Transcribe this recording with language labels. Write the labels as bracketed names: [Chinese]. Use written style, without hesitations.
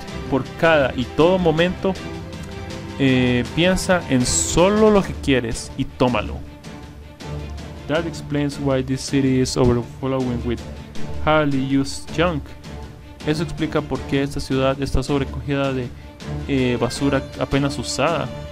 [Spanish] Por cada y todo momento, piensa en solo lo que quieres y tómalo. [English] That explains why this city is overflowing with hardly used junk. [Spanish] Eso explica por qué esta ciudad está sobrecogida de basura apenas usada.